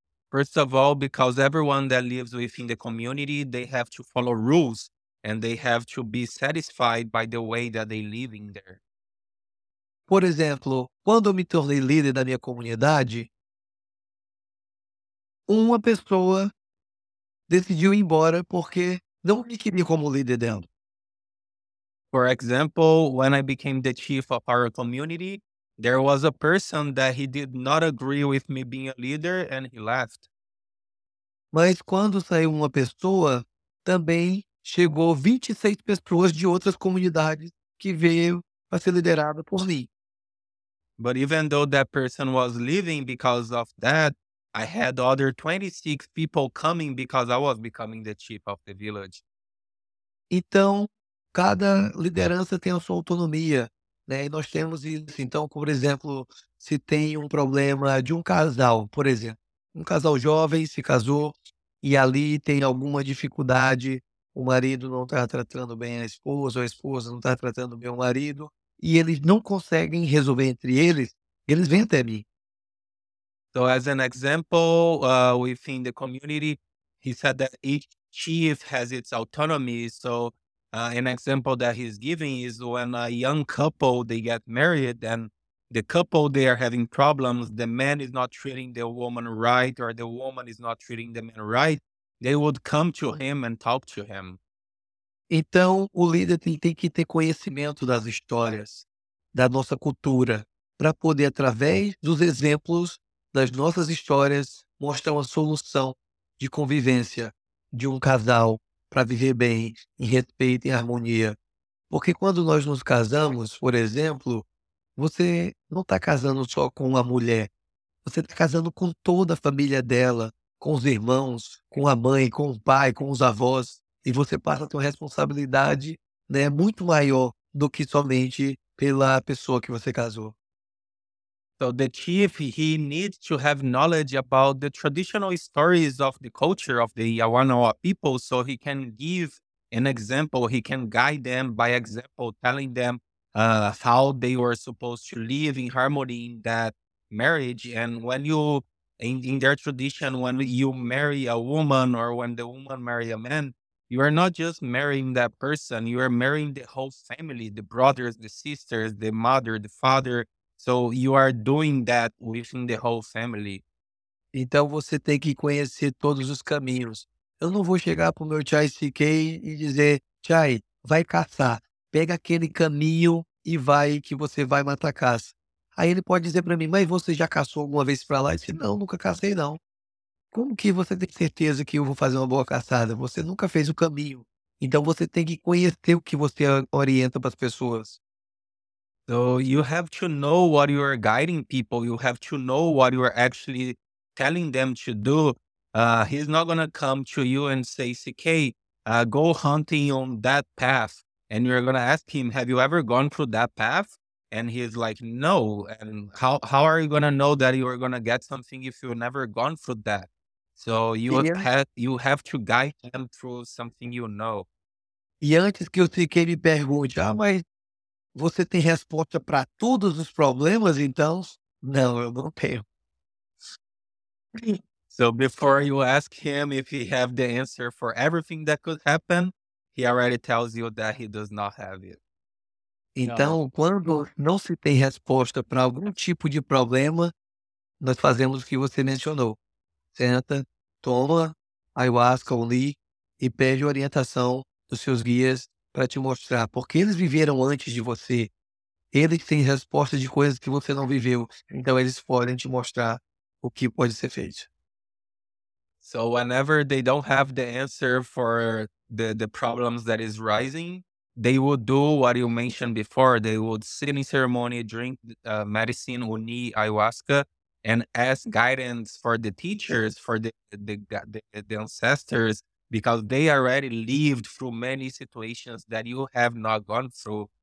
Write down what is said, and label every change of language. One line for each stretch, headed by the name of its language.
English: First of all, because everyone that lives within the community, they have to follow rules and they have to be satisfied by the way that they live in there.
Portuguese: Por exemplo, quando eu me tornei líder da minha comunidade, uma pessoa decidiu ir embora porque não me queria como líder dela.
English: For example, when I became the chief of our community, there was a person that he did not agree with me being a leader and he left.
Portuguese: Mas quando saiu uma pessoa, também chegou 26 pessoas de outras comunidades que veio para ser liderada por mim.
English: But even though that person was leaving because of that, I had other 26 people coming because I was becoming the chief of the village.
Portuguese: Então, cada liderança tem a sua autonomia, né? E nós temos isso. Então, por exemplo, se tem um problema de um casal, por exemplo, um casal jovem se casou e ali tem alguma dificuldade, o marido não está tratando bem a esposa, ou a esposa não está tratando bem o marido, e eles não conseguem resolver entre eles, eles vêm até mim.
English: So, as an example, within the community, he said that each chief has its autonomy. So, an example that he's giving is when a young couple, they get married, and the couple, they are having problems, the man is not treating the woman right, or the woman is not treating the man right, they would come to him and talk to him.
Portuguese: Então, o líder tem que ter conhecimento das histórias, da nossa cultura, para poder, através dos exemplos das nossas histórias, mostrar uma solução de convivência de um casal para viver bem, em respeito e harmonia. Porque quando nós nos casamos, por exemplo, você não está casando só com uma mulher, você está casando com toda a família dela, com os irmãos, com a mãe, com o pai, com os avós. E você passa a ter uma responsabilidade, né, muito maior do que somente pela pessoa que você casou.
English: So the chief, he needs to have knowledge about the traditional stories of the culture of the Yawanawa people so he can give an example. He can guide them by example, telling them how they were supposed to live in harmony in that marriage. And when you, in their tradition, when you marry a woman or when the woman marry a man, you are not just marrying that person. You are marrying the whole family, the brothers, the sisters, the mother, the father. So you are doing that within the whole family.
Portuguese: Então você tem que conhecer todos os caminhos. Eu não vou chegar para o meu Chai CK e dizer, Chai, vai caçar. Pega aquele caminho e vai que você vai matar caça. Aí ele pode dizer para mim, mas você já caçou alguma vez para lá? Eu disse, não, nunca cacei não. Como que você tem certeza que eu vou fazer uma boa caçada? Você nunca fez o caminho. Então você tem que conhecer o que você orienta para as pessoas.
English: So you have to know what you are guiding people. You have to know what you are actually telling them to do. He's not going to come to you and say, CK, go hunting on that path. And you're going to ask him, have you ever gone through that path? And he's like, no. And how are you going to know that you are going to get something if you've never gone through that? So you have to guide them through something you know.
Portuguese: E antes que o CK me pergunte, ah, mas você tem resposta para todos os problemas, então? Não, eu não tenho.
English: So before you ask him if he have the answer for everything that could happen, he already tells you that he does not have it.
Portuguese: Então, quando não se tem resposta para algum tipo de problema, nós fazemos o que você mencionou. Senta, toma ayahuasca ou li e pede orientação dos seus guias para te mostrar. Porque eles viveram antes de você. Eles têm resposta de coisas que você não viveu. Então, eles podem te mostrar o que pode ser feito.
English: So whenever they don't have the answer for the problems that is rising, they will do what you mentioned before. They would sit in ceremony, drink medicine, uni, ayahuasca, and ask guidance for the teachers, for the ancestors, because they already lived through many situations that you have not gone through.